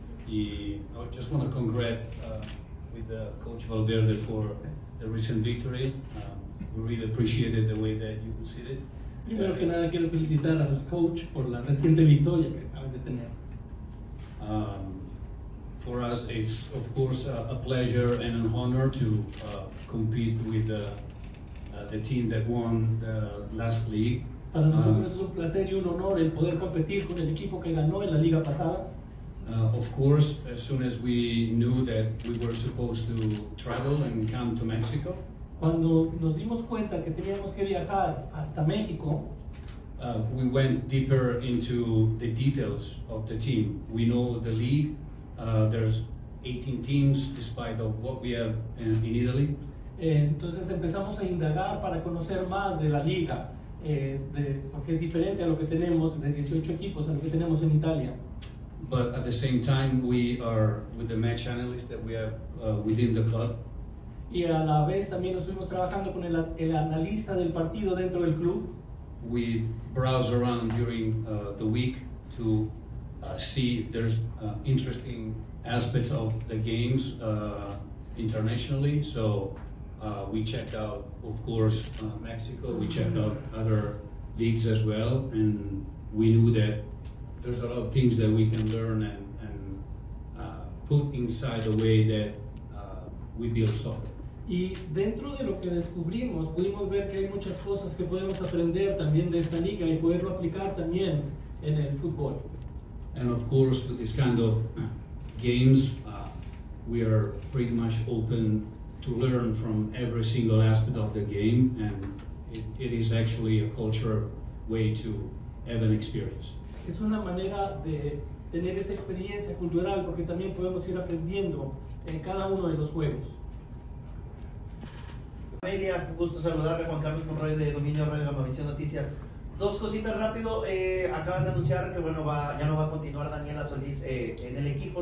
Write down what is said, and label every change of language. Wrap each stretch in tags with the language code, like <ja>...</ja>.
<en>I just want to congratulate with the coach Valverde for the recent victory. We really appreciated the way that you conceded it.</en> <es>Primero que nada quiero felicitar al coach por la reciente victoria que acaba de tener.</es> <en>For us, it's of course a pleasure and an honor to compete with the team that won the last league.</en> <es>Para nosotros es un placer y un honor el poder competir con el equipo que ganó en la liga pasada.</es> <en>Of course, as soon as we knew that we were supposed to travel and come to Mexico.</en> <es>Cuando nos dimos cuenta que teníamos que viajar hasta México.</es> <en>We went deeper into the details of the team. We know the league. There's 18 teams, despite of what we have in Italy.</en> <es>Entonces empezamos a indagar para conocer más de la liga, porque es diferente a lo que tenemos de 18 equipos a lo que tenemos en Italia.</es> <en>But at the same time, we are with the match analyst that we have within the club.</en> <es>Y a la vez también nos fuimos trabajando con el analista del partido dentro del club.</es> <en>We browse around during the week to see if there's interesting aspects of the games internationally. So we checked out, of course, Mexico. We checked out other leagues as well, and we knew that there's a lot of things that we can learn and put inside the way that we build soccer.</en> <es>Y dentro de lo que descubrimos, pudimos ver que hay muchas cosas que podemos aprender también de esta liga y poderlo aplicar también en el fútbol.</es> <en>And of course, with this kind of games, we are pretty much open to learn from every single aspect of the game, and it is actually a cultural way to have an experience.</en> <es>Es una manera de tener esa experiencia cultural porque también podemos ir aprendiendo en cada uno de los juegos. Familia, un gusto saludarle, Juan Carlos Monroy de Dominio Radio Gamavisión Noticias. Dos cositas rápido, acaban de anunciar que bueno, ya no va a continuar Daniela Solís en el equipo.</es>